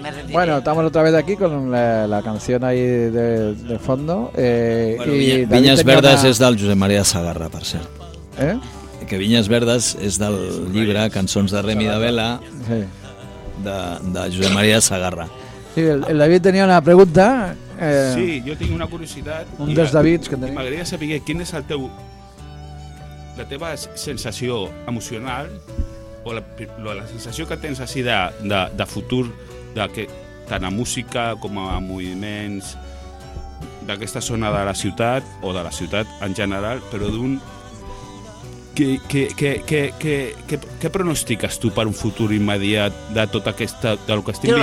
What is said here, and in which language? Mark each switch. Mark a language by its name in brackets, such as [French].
[Spanish] Bueno, estamos otra vez aquí con la canción ahí de fondo. Bueno, [Catalan] Viñas Verdes és del Josep Maria Sagarra, per cert. Eh? Que Viñas Verdes és del llibre Cançons de Remi de Vela, de Josep Maria Sagarra. Sí, el David tenia una pregunta. Sí, jo tinc una curiositat. Un dels Davids que tenim. M'agradaria saber quin és el teu, la teva sensació emocional o la sensació que tens així de futur, que tant a música com a moviments d'aquesta zona de la ciutat o de la ciutat en general, però d'un què pronostiques tu per un futur immediat de tot aquesta, del que estic